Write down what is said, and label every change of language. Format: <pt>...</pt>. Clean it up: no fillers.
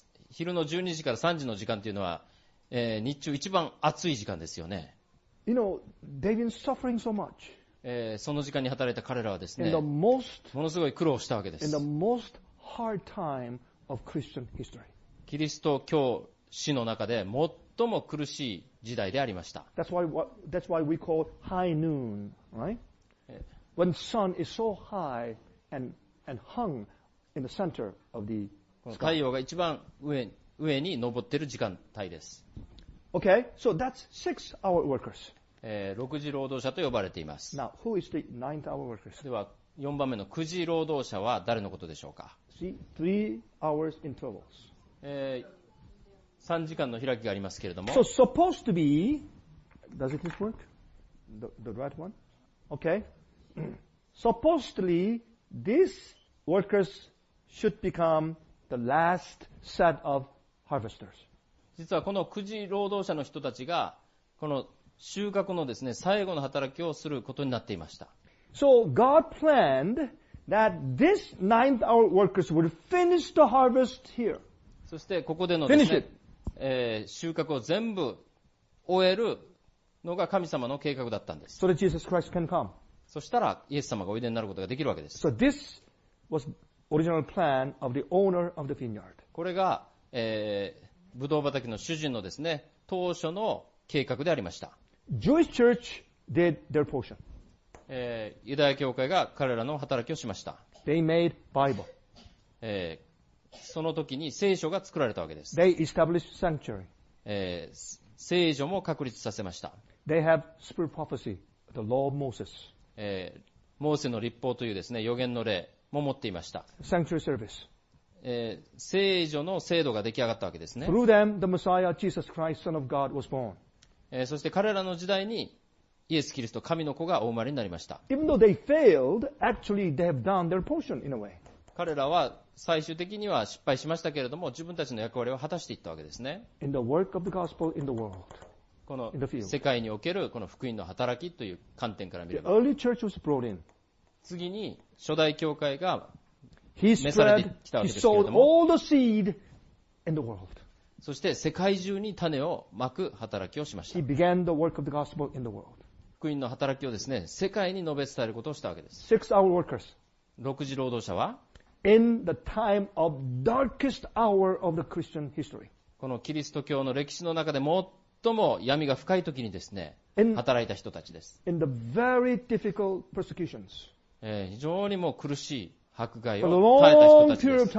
<ja>昼の12時から3時の時間というのは、日中一番暑い時間ですよね。</ja> <en>You know, they've been suffering so much.</en> <ja>その時間に働いた彼らはですね、ものすごい苦労したわけです。</ja> <en>In the most hard time of Christian history.</en> <ja>キリスト教史の中で最も苦しい時代でありました。</ja> <en>That's why we call high noon, right? When sun is so high and hung in the center of the sky.</en> <ja>太陽が一番上に昇っている時間帯です。</ja> <en>Okay, so that's six hour workers.</en> <ja>6時労働者と呼ばれています。</ja> <en>Now, who is the ninth hour workers?</en> <ja>では4番目の9時労働者は誰のことでしょうか?</ja> <en>See, three hours intervals.</en> <ja>3時間の開きがありますけれども。</ja> <en>So supposed to be, does it work? The right one? Okay. Supposedly, these workers should become the last set of harvesters.</en> <ja>実はこの9時労働者の人たちがこの収穫のですね、最後の働きをすることになっていました。</ja> <en>So God planned that this ninth hour workers would finish the harvest here.</en> <ja>そしてここでのですね、収穫を全部終えるのが神様の計画だったんです。</ja> <en>So that Jesus Christ can come.</en> <ja>そしたらイエス様がおいでになることができるわけです。</ja> <en>So this was original plan of the owner of the vineyard.</en> <ja>これが、ブドウ畑の主人のですね、当初の計画でありました。</ja> <en>Jewish church did their portion.</en> <ja>ユダヤ教会が彼らの働きをしました。</ja> <en>They made Bible.</en> <ja>その時に聖所が作られたわけです。</ja> <en>They established sanctuary.</en> <ja>聖所も確立させました。</ja> <en>They have spirit prophecy, the law of Moses.</en> <ja>モーセの律法というですね、予言の霊も持っていました。</ja> <en>Sanctuary service.</en> <ja>聖所の制度が出来上がったわけですね。</ja> <en>Through them, the Messiah, Jesus Christ, Son of God, was born.</en> <ja>そして彼らの時代に、イエス・キリスト、神の子がお生まれになりました。</ja> <en>Even though they failed, actually they have done their portion in a way.</en> <ja>彼らは最終的には失敗しましたけれども、自分たちの役割を果たしていったわけですね。</ja> <en>In the work of the gospel in the world.</en> <ja>この世界におけるこの福音の働きという観点から見れば。</ja> <en>The early church was brought in.</en> <ja>次に、初代教会が召されてきたわけですけれども。</ja> <en>He sowed all the seed in the world.</en> <ja>そして世界中に種をまく働きをしました。</ja> <en>He began the work of the gospel in the world.</en> <ja>福音の働きをですね、世界に述べ伝えることをしたわけです。</ja> <en>Six hour workers.</en> <ja>六時労働者は、</ja> <en>In the time of darkest hour of the Christian history.</en> <ja>このキリスト教の歴史の中で最も闇が深い時にですね、働いた人たちです。</ja> <en>In the very difficult persecutions.</en> <ja>非常にもう苦しい迫害を耐えた人たちです。</ja>